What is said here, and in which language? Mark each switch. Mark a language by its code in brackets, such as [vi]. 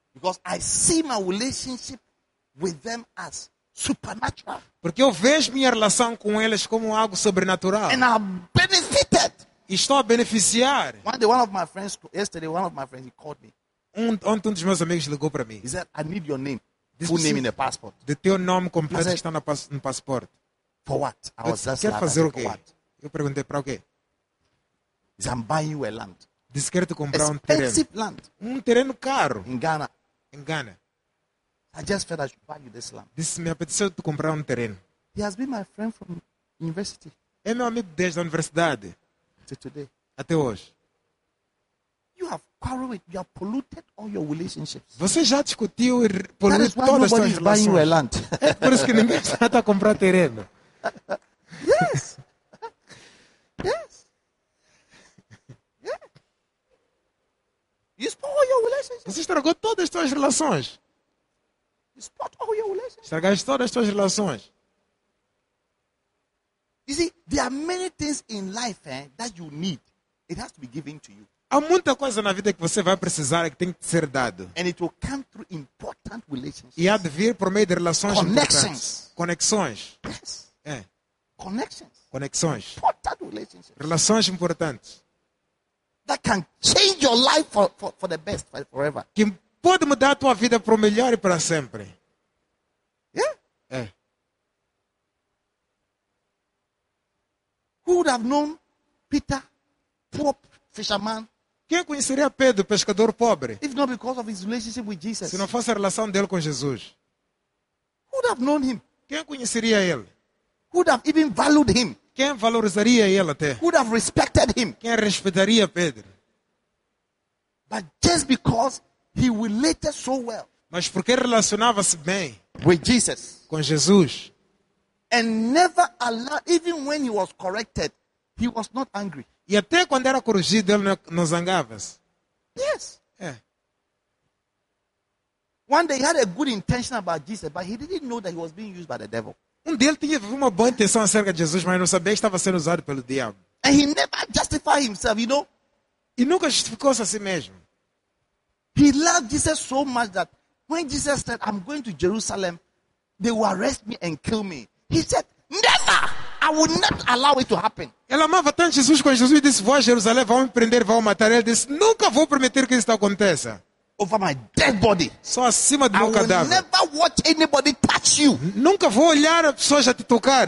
[en] Because I see my relationship with them as supernatural. [pt] Porque eu vejo minha relação com eles como algo sobrenatural. [en] And I'm benefited. [pt] Estou a beneficiar. [en] One day, one of my friends, yesterday, one of my friends, he called me. [pt] Um dos meus amigos ligou para mim. [en] He said, I need your name. This full name in the passport. [pt] De teu nome completo [en] said, [pt] que está no passaporte. [en] For what? I was just [pt] quer fazer o quê? Eu perguntei, para o quê? [en] He said, I'm buying you a land. [pt] Disse, quero te comprar [en] expensive [pt] um terreno. [en] Land. [pt] Um terreno caro. [en] In Ghana. [pt] Em Ghana. [en] I just felt I should buy you this land. [pt] Disse, me apeteceu te comprar um terreno. [en] He has been my friend from university. [pt] É meu amigo desde a universidade. [en] Until today. [pt] Até hoje. [en] You have quarreled with, you have polluted all your relationships. [pt] Você já discutiu e poluiu todas as suas relações. [en] Buying land. [pt] É por isso que ninguém está a comprar terreno. [en] Yes. Yes. Yeah. You spoil all your relationships. [pt] Você estragou todas as suas relações. [en] You spoil all your relationships. [pt] Estragaste todas as suas relações. [en] You see, there are many things in life that you need. It has to be given to you. [pt] Há muita coisa na vida que você vai precisar e que tem que ser dado. [en] And it will come through important relationships. [pt] E há de vir por meio de relações [en] connections. [pt] Importantes. Conexões. [en] Yes. [pt] É. [en] Connections. [pt] Conexões. [en] Important relationships. [pt] Relações importantes. [en] That can change your life for the best forever. [pt] Que pode mudar a tua vida para o melhor e para sempre. [en] Yeah? [pt] É. [en] Who would have known Peter, poor fisherman? [pt] Quem conheceria Pedro, pescador pobre? [en] If not because of his relationship with Jesus. [pt] Se não fosse a relação dele com Jesus. [en] Who would have known him? [pt] Quem conheceria ele? [en] Who would have even valued him? [pt] Quem valorizaria ele até? [en] Who would have respected him? [pt] Quem respeitaria Pedro? [en] But just because he related so well. [pt] Mas porque relacionava-se bem [en] with Jesus. [pt] Com Jesus. [en] And never allowed, even when he was corrected, he was not angry. [pt] E até quando era corrigido, ele não zangava-se. [en] Yes. [pt] É. [en] One day he had a good intention about Jesus, but he didn't know that he was being used by the devil. [pt] Um dia ele tinha uma boa intenção acerca de Jesus, mas não sabia que estava sendo usado pelo diabo. [en] And he never justified himself, you know? [pt] E nunca justificou-se a si mesmo. [en] He loved Jesus so much that when Jesus said, I'm going to Jerusalem, they will arrest me and kill me. He said, never! I would not allow it to happen. [pt] Ele amava tanto Jesus quando Jesus disse, vou a Jerusalém, vão me prender, vão matar. Ele disse, nunca vou permitir que isso aconteça. [en] Over my dead body. [pt] Só acima do meu cadáver. [en] I will never watch anybody touch you. [pt] Nunca vou olhar a pessoa já te tocar.